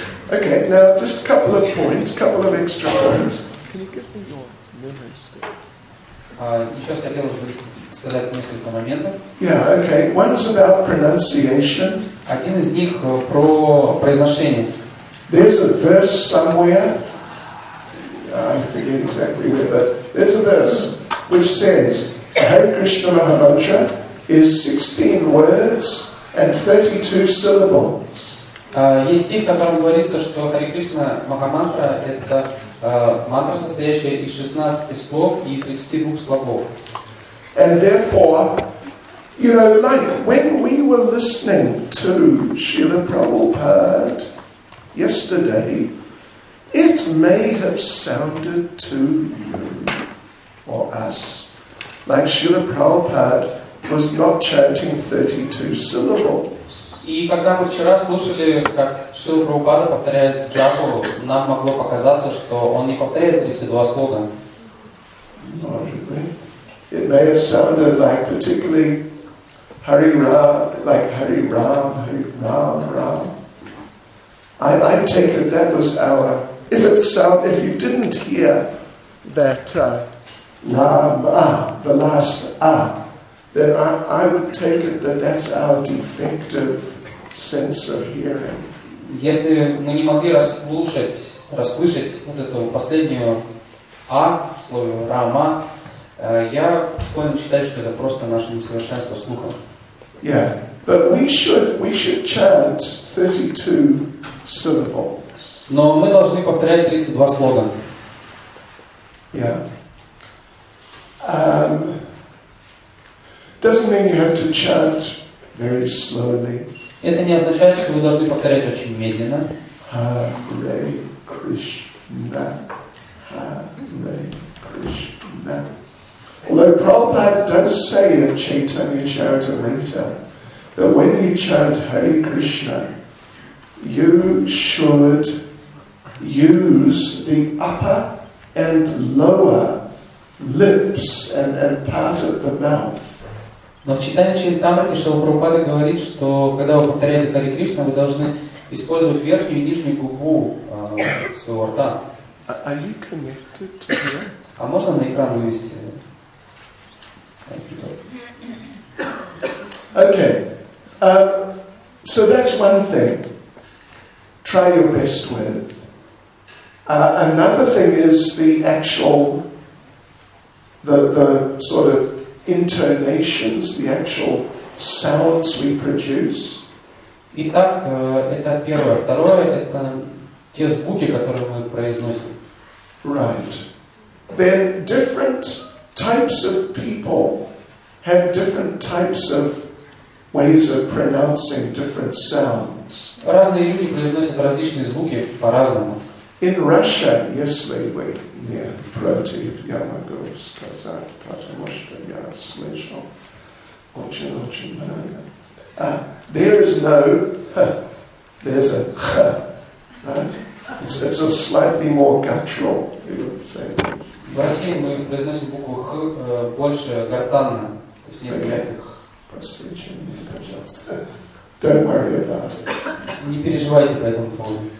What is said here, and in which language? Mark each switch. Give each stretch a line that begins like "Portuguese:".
English: Okay, now just a couple of points, couple of extra points.
Russian: Еще хотелось бы сказать несколько моментов.
English: Yeah, okay. One is about pronunciation.
Russian: Один из них про произношение.
English: There's a verse somewhere. I forget exactly where, but there's a verse which says, "Hare Krishna Mahamantra." Is 16 words and 32 syllables.
Russian: Есть стих, в котором говорится, что Хари Кришна Махамантра это мантра, состоящая из 16 слов и 32 слогов.
English: And therefore, you know, like when we were listening to Srila Prabhupada yesterday, it may have sounded to you or us like Srila Prabhupada was not chanting 32 syllables.
Russian: И когда мы вчера слушали, как Шрила Прабхупада повторяет джапу, нам могло показаться, что он не повторяет 32 слога. Может быть.
English: It may have sounded like particularly Hari Ram, like Hari Ram, Ram. I take it that was our, if it sound, if you didn't hear that Ram, the last ah, then I would take it that that's our defective sense of hearing.
Russian: Если мы не могли расслышать вот эту последнюю «а» в слове «рама», я склонен считать, что это просто наше несовершенство слуха.
English: Yeah, but we should chant 32 syllables.
Russian: Но мы должны повторять 32 слога.
English: Yeah. Doesn't mean you have to chant very slowly.
Russian: Это не означает, что вы должны повторять очень медленно.
English: Hare Krishna, Hare Krishna. Although Prabhupada does say in Chaitanya Charitamrita that when you chant Hare Krishna, you should use the upper and lower lips and part of the mouth.
Russian: Но в читании Чайтамрити Шрила Прабхупада говорит, что когда вы повторяете Хари Кришна, вы должны использовать верхнюю и нижнюю губу своего рта.
English: Are you connected to me?
Russian: А можно на экран вывести?
English: Okay. So that's one thing. Try your best with. Another thing is the actual the sort of intonations, the actual sounds we produce.
Russian: Итак, это первое. Второе – это те звуки, которые мы произносим.
English: Right. Then different types of people have different types of ways of pronouncing different sounds.
Russian: Разные люди произносят различные звуки по-разному.
English: In Russia,
Russian: если вы не против, я могу сказать, потому что я слышал очень-очень много.
English: There is no ch, there's a ch, right? It's a slightly more guttural, you would say.
Russian: В России мы произносим букву ch больше гортанно, то есть нет никаких. Простите меня, пожалуйста.
English: Don't worry about it.
Russian: Не переживайте по этому поводу.